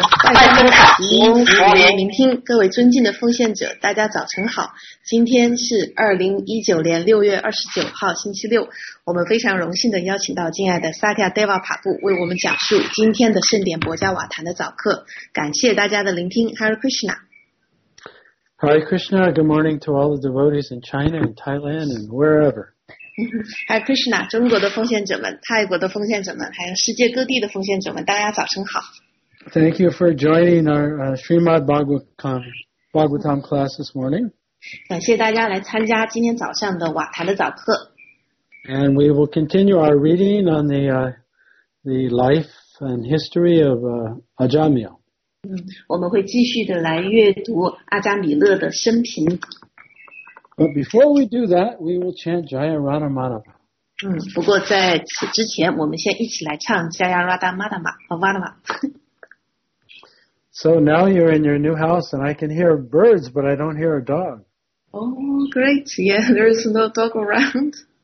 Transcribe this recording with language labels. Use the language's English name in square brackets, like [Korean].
[Chinese] 快乐的卡一直接聆听，各位尊敬的奉献者，大家早晨好。今天是2019年6月29号星期六，我们非常荣幸的邀请到敬爱的萨提亚德瓦帕布为我们讲述今天的圣典博加瓦坛的早课。感谢大家的聆听。Hare Krishna。 [English] Hare Krishna, good morning to all the devotees in China and Thailand and wherever. [Chinese] Hare Krishna, 中国的奉献者们，泰国的奉献者们，还有世界各地的奉献者们，大家早晨好。 [English] Thank you for joining our Srimad Bhagavatam class this morning. [Chinese] 感谢大家来参加今天早上的瓦坛的早课。 [English] And we will continue our reading on the life and history of Ajamil. [Chinese] 我们会继续的来阅读阿加米勒的生平。 [English] But before we do that, we will chant Jaya Radha Madhava. [Chinese] 不过在此之前，我们先一起来唱 Jaya Radha Madhava. [English] So now you're in your new house, and I can hear birds, but I don't hear a dog. Oh, great! Yeah, there is no dog around.